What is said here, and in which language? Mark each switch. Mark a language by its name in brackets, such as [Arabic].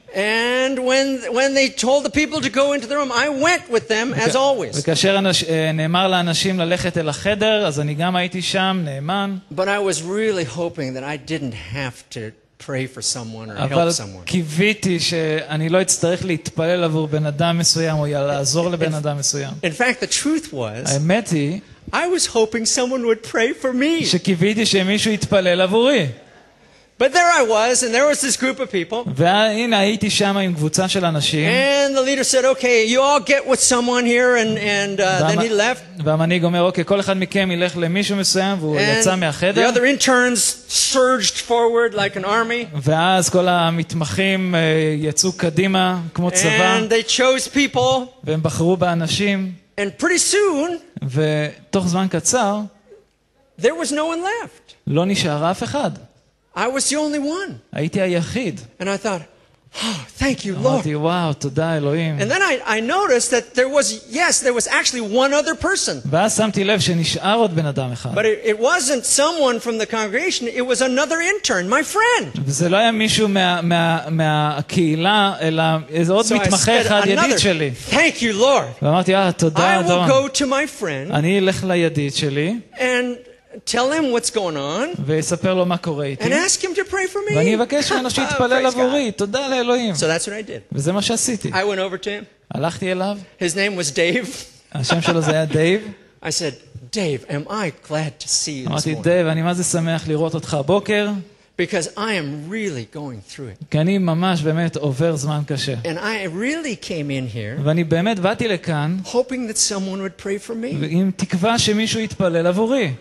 [English] And when they told the people to go into the room, I went with them as always. [Hebrew] וכאשר נאמר לאנשים ללכת אל החדר, אז אני גם הייתי שם נאמן. [English] But I was really hoping that I didn't have to pray for someone or help someone. [Hebrew] אבל קיוויתי שאני לא אצטרך להתפלל עבור בן אדם מסוים או לעזור לבן אדם מסוים. [English] In fact, the truth was, [Hebrew] האמת היא, [English] I was hoping someone would pray for me. [Hebrew] שקיוויתי שמישהו יתפלל עבורי. [English] But there I was, and there was this group of people. [Hebrew] והנה הייתי שם עם קבוצה של אנשים. [English] And the leader said, "Okay, you all get with someone here," and then he left. [Hebrew] והמנהיג אומר, "Okay, כל אחד מכם ילך למישהו מסוים," והוא יצא מהחדר. [English] The other interns surged forward like an army. [Hebrew] ואז כל המתמחים יצאו קדימה כמו צבא. [English] And they chose people. [Hebrew] והם בחרו באנשים. [English] And pretty soon, [Hebrew] ותוך זמן קצר, [English] there was no one left. [Hebrew] לא נשאר אף אחד. [English] I was the only one. [Hebrew] הייתי היחיד. [English] And I thought, Oh, thank you, Lord. [Hebrew] Oh, wow, תודה, אלוהים. [English] And then I noticed that there was actually one other person. [Hebrew] ואז שמתי לב שנשאר עוד בן אדם אחד. [English] But it wasn't someone from the congregation, it was another intern, my friend. [Hebrew] וזה לא היה מישהו מהקהילה, אלא איזה עוד מתמחה אחד ידיד שלי. [English] Thank you, Lord. [Hebrew] ואמרתי, תודה, אדון. [English] I will go to my friend. [Hebrew] אני אלך לידיד שלי. [English] And tell him what's going on. [Hebrew] ויספר לו מה קורה איתי. [English] And ask him to pray for me. [Hebrew] ואני אבקש ממנו שיתפלל עבורי. תודה לאלוהים. [English] So that's what I did. [Hebrew] וזה מה שעשיתי. [English] I went over to him. [Hebrew] הלכתי אליו. [English] His name was Dave. [Hebrew] השם שלו זה היה דייב. [English] I said, Dave, am I glad to see you this morning. [Hebrew] אמרתי, דייב, אני מה זה שמח לראות אותך הבוקר. [English] Because I am really going through it. [Hebrew] כי אני ממש באמת עובר זמן קשה. [English] And I really came in here. [Hebrew] ואני באמת באתי לכאן. [English] Hoping that someone would pray for me. [Hebrew] ועם תקווה שמישהו יתפלל עבורי.